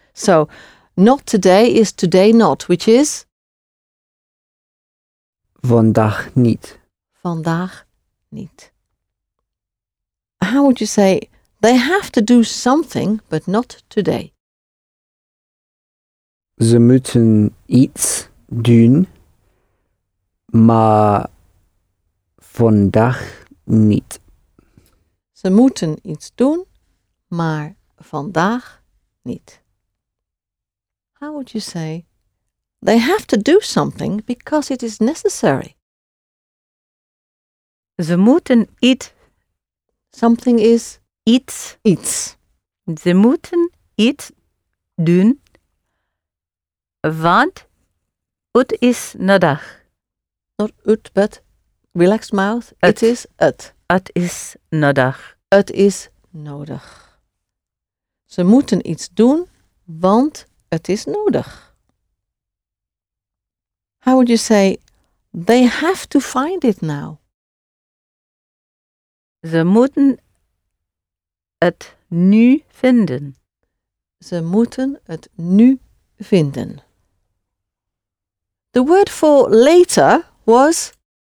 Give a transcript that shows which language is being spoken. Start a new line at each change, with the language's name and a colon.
English: So, not today is today not, which is?
Dutch: Vandaag niet. Vandaag niet.
English: How would you say, they have to do something, but not today?
Dutch: Ze moeten iets doen, maar vandaag niet. Ze moeten iets doen, maar vandaag niet.
English: How would you say, they have to do something because it is necessary?
Dutch: Ze moeten iets.
English: Something is?
Dutch: Iets. Iets. Ze moeten iets doen. Want het is nodig.
English: Not ut, but relaxed mouth. It is ut.
Dutch: Het is nodig. Het is nodig. Ze moeten iets doen, want het is nodig.
English: How would you say, they have to find it now?
Dutch: Ze moeten het nu vinden. Ze moeten het nu vinden.
English: The word for later was?